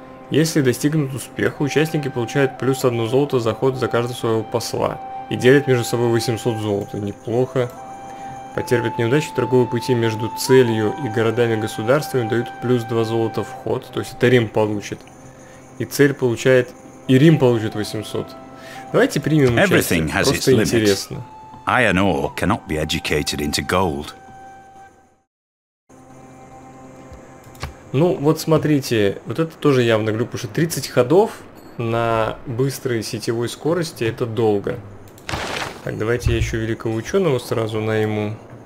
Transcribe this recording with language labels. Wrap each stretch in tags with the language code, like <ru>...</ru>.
<ru>Если достигнут успеха, участники получают плюс одно золото за ход за каждого своего посла и делят между собой 800 золота. Неплохо. Потерпят неудачу, торговые пути между целью и городами-государствами дают плюс 2 золота в ход, то есть это Рим получит. И цель получает, и Рим получит 800. Давайте примем участие, просто интересно.</ru> <en>Iron ore cannot be educated into gold.</en> <ru>Ну, вот смотрите, вот это тоже явно глюк, потому что 30 ходов на быстрой сетевой скорости это долго. Так, давайте я еще великого ученого сразу найму.</ru>